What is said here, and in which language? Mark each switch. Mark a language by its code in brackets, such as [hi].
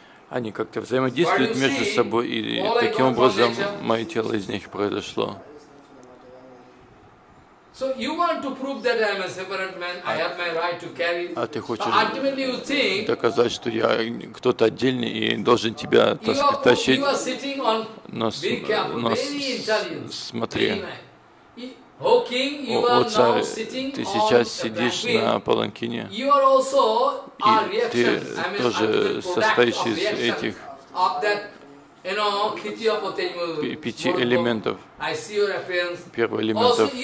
[ru] Они как-то взаимодействуют между собой, и таким образом мое тело из них произошло. [en] So you want to prove that I am a separate man? I have my right to carry. [ru] А ты хочешь доказать, что я кто-то отдельный и должен тебя тащить? [en] You are sitting on. [ru] Смотри. [en] О, king, you are now sitting on the [ru] ты сейчас сидишь на паланкине. [en] You are also [ru] и ты тоже состоишь из этих. Пяти элементов. Первый элемент.